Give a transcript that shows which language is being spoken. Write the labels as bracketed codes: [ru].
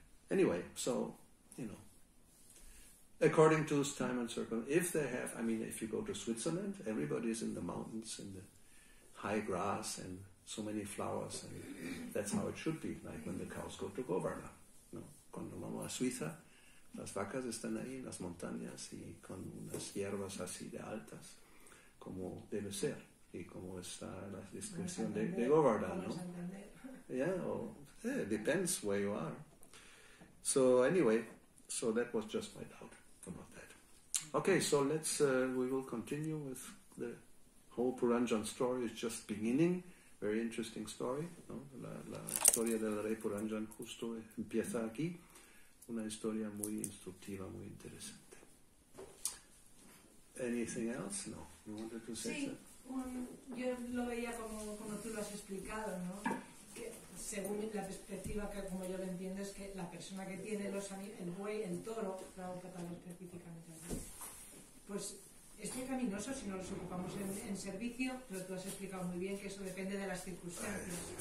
[en] Anyway, so, you know, according to time and circumstance, if they have, I mean, if you go to Switzerland, everybody is in the mountains, in the high grass and so many flowers, and that's how it should be, like when the cows go to Govarna. [es] ¿No? Cuando vamos a Suiza, las vacas están ahí en las montañas y con unas hierbas así de altas, como debe ser, y como está la descripción de Govarna, ¿no? [en] Yeah, or, yeah, it depends where you are. So anyway, so that was just my doubt about that. Okay, so let's, we will continue with the whole Puranjan story. It's just beginning. Very interesting story, [es] ¿no? La historia del rey Puranjan justo empieza aquí. Una historia muy instructiva, muy interesante. [en] Anything else? No. You wanted to say [es] sí, [en] something? [es] Yo lo veía como tú lo has explicado, ¿no? Que según la perspectiva, que como yo lo entiendo, es que la persona que tiene los el buey, el toro, claro, que tal específicamente, pues es pecaminoso si no los ocupamos en servicio, pero tú has explicado muy bien que eso depende de las circunstancias.